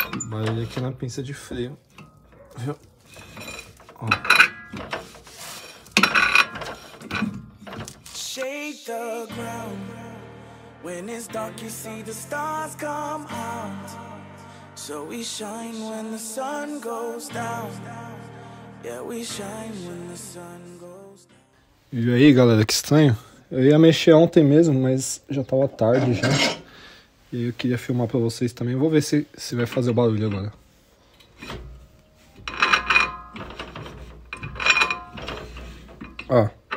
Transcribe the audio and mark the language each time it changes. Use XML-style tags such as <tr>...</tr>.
<pt>Barulho aqui na pinça de freio, viu? Ó.</pt> <en>Shake the ground when it's dark, you see the stars come out. So we shine when the sun goes down. Yeah, we shine when the sun goes down.</en> <pt>E aí, galera, que estranho. Eu ia mexer ontem mesmo, mas já tava tarde já. E aí eu queria filmar pra vocês também. Vou ver se vai fazer o barulho agora. Ó.</pt>